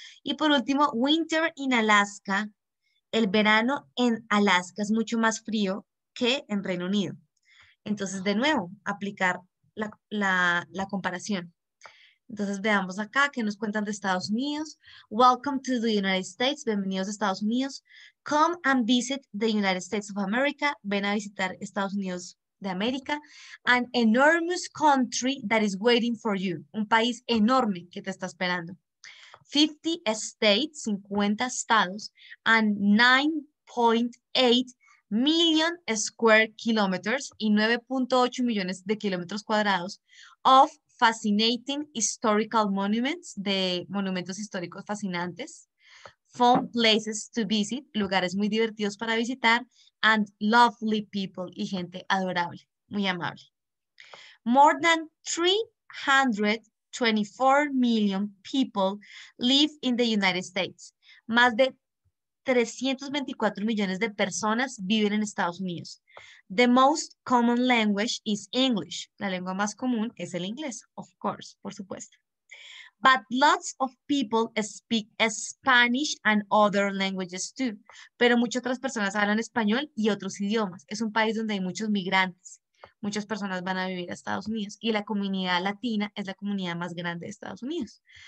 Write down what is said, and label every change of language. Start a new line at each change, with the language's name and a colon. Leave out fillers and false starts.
Spanish: Y por último,
English: winter in Alaska,
Spanish: el verano en Alaska es mucho más frío que en Reino Unido. Entonces, de nuevo, aplicar la comparación. Entonces, veamos acá qué nos cuentan de Estados Unidos.
English: Welcome to the United States.
Spanish: Bienvenidos a Estados Unidos.
English: Come and visit the United States of America.
Spanish: Ven a visitar Estados Unidos de América.
English: An enormous country that is waiting for you.
Spanish: Un país enorme que te está esperando.
English: 50 states,
Spanish: 50 estados,
English: and 9.8 million square kilometers
Spanish: y 9.8 millones de kilómetros cuadrados
English: of fascinating historical monuments,
Spanish: de monumentos históricos fascinantes,
English: fun places to visit,
Spanish: lugares muy divertidos para visitar,
English: and lovely people,
Spanish: y gente adorable, muy amable.
English: More than 324 million people live in the United States.
Spanish: Más de 324 millones de personas viven en Estados Unidos.
English: The most common language is English.
Spanish: La lengua más común es el inglés,
English: of course,
Spanish: por supuesto.
English: But lots of people speak Spanish and other languages too.
Spanish: Pero muchas otras personas hablan español y otros idiomas. Es un país donde hay muchos migrantes. Muchas personas van a vivir a Estados Unidos. Y la comunidad latina es la comunidad más grande de Estados Unidos.